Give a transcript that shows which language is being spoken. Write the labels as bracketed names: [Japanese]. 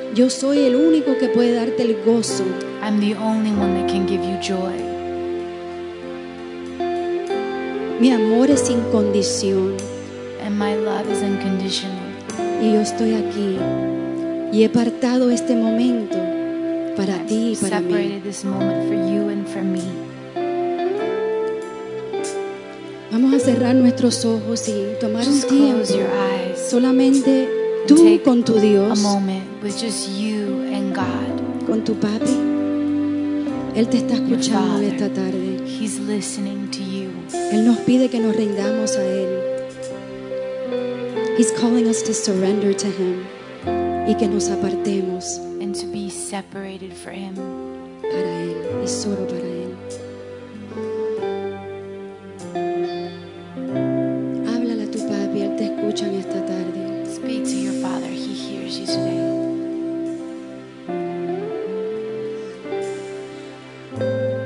[Spanish] Yo soy el único que puede darte el gozo. [English] I'm the only one that can give you joy. [Spanish] Mi amor es incondición. [English] And my love is unconditional. [Spanish] Y yo estoy aquí. Y he apartado este momento para ti y para mí. [English] Separated this moment for you and for me. [Spanish] Vamos a cerrar nuestros ojos y tomar [English] just [Spanish] un tiempo. [English] Close your eyes. [Spanish] Solamente tú con tu Dios. [English] A moment with just you and God. [Spanish] Con tu papi. Él te está escuchando [English] Father, [Spanish] esta tarde. [English] He's listening to you. [Spanish] Él nos pide que nos rindamos a él. [English] He's calling us to surrender to him. [Spanish] Y que nos apartemos [English] and to be separated for him. [Spanish] Para él y solo para él. Háblale a tu papi, él te escucha en esta tarde. [English] Speak to your father, he hears you today.